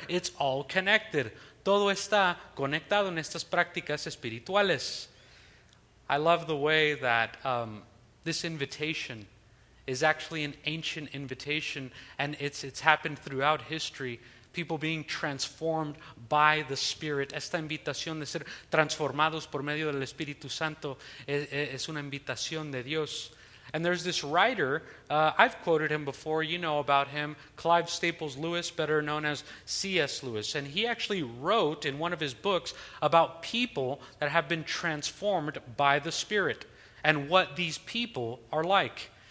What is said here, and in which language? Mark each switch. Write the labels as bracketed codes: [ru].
[en] It's all connected. [es] Todo está conectado en estas prácticas espirituales. [en] I love the way that this invitation is actually an ancient invitation, and it's happened throughout history. People being transformed by the Spirit. [es] Esta invitación de ser transformados por medio del Espíritu Santo es una invitación de Dios. [en] And there's this writer, I've quoted him before, you know about him, Clive Staples Lewis, better known as C.S. Lewis. And he actually wrote in one of his books about people that have been transformed by the Spirit and what these people are like.